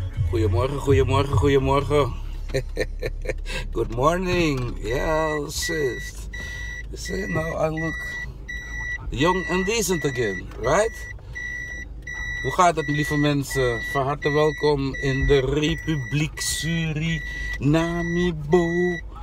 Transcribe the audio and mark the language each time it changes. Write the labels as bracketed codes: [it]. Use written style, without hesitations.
[nl] Goedemorgen, goedemorgen, goedemorgen. [en] Good morning. Yeah, sis. You see, now I look young and decent again, right? [nl] Hoe gaat het, lieve mensen? Van harte welkom in de Republiek Surinamibo.